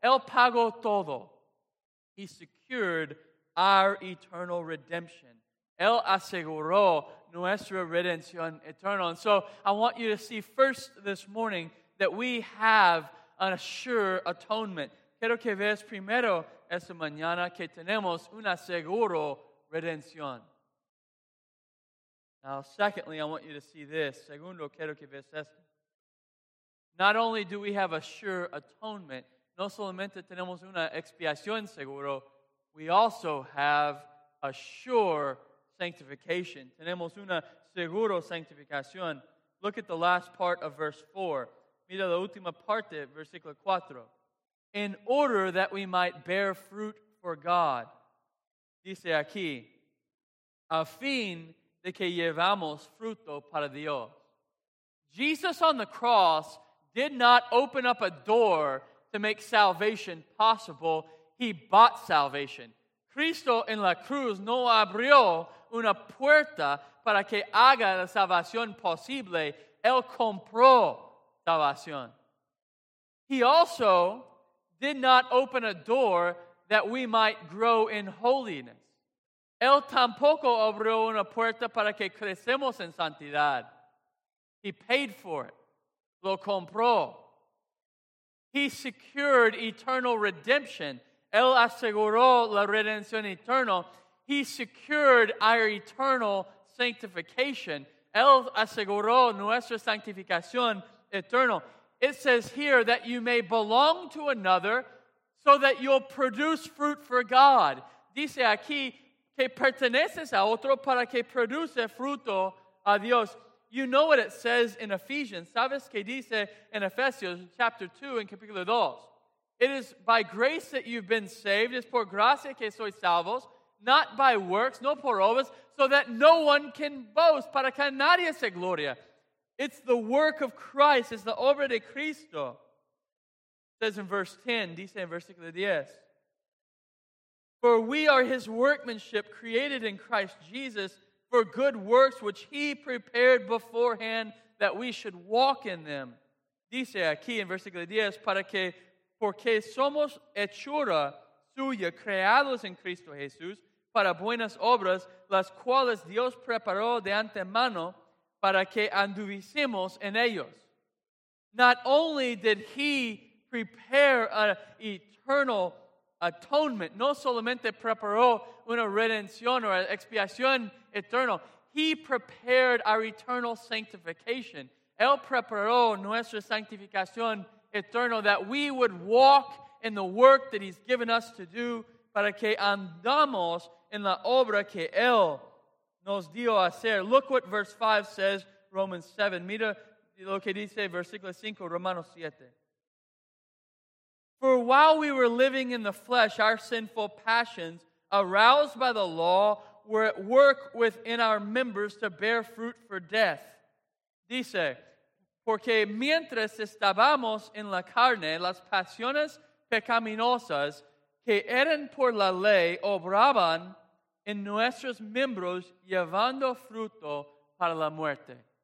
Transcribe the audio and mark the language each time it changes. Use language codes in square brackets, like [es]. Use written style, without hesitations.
[es] Él pagó todo. [en] He secured our eternal redemption. [es] Él aseguró nuestra redención eterna. [en] And so I want you to see first this morning that we have an assured atonement. [es] Quiero que veas primero esta mañana que tenemos una seguro redención. [en] Now, secondly, I want you to see this. [es] Segundo, quiero que veas esto. [en] Not only do we have a sure atonement, [es] no solamente tenemos una expiación seguro, [en] we also have a sure sanctification. [es] Tenemos una seguro sanctificación. [en] Look at the last part of verse 4. [es] Mira la última parte, versículo 4. [en] In order that we might bear fruit for God. [es] Dice aquí, a fin de que llevamos fruto para Dios. [en] Jesus on the cross did not open up a door to make salvation possible. He bought salvation. [es] Cristo en la cruz no abrió una puerta para que haga la salvación posible. Él compró salvación. [en] He also did not open a door that we might grow in holiness. [es] Él tampoco abrió una puerta para que crecemos en santidad. [en] He paid for it. [es] Lo compró. [en] He secured eternal redemption. [es] Él aseguró la redención eterna. [en] He secured our eternal sanctification. [es] Él aseguró nuestra santificación eterna. [en] It says here that you may belong to another so that you'll produce fruit for God. [es] Dice aquí que perteneces a otro para que produce fruto a Dios. [en] You know what it says in Ephesians. [es] ¿Sabes qué dice en Efesios [en] chapter 2 and [es] capítulo 2? [en] It is by grace that you've been saved. [es] Es por gracia que sois salvos. [en] Not by works, [es] no por obras, [en] so that no one can boast. [es] Para que nadie se gloria. [en] It's the work of Christ. It's the [es] obra de Cristo. [en] It says in verse 10, [es] dice en versículo 10. [en] For we are his workmanship created in Christ Jesus for good works which he prepared beforehand that we should walk in them. [es] Dice aquí en versículo 10, para que, porque somos hechura suya, creados en Cristo Jesús, para buenas obras, las cuales Dios preparó de antemano para que anduvisemos en ellos. [en] Not only did he prepare an eternal atonement, [es] no solamente preparó una redención o expiación eterna, [en] he prepared our eternal sanctification. [es] Él preparó nuestra santificación eterna, [en] that we would walk in the work that he's given us to do, [es] para que andamos en la obra que él nos dio a hacer. [en] Look what verse 5 says, Romans 7. [es] Mira lo que dice versículo 5, Romanos 7. [en] For while we were living in the flesh, our sinful passions, aroused by the law, were at work within our members to bear fruit for death. [es] Dice, porque mientras estábamos en la carne, las pasiones pecaminosas que eran por la ley obraban en nuestros miembros llevando fruto para la muerte.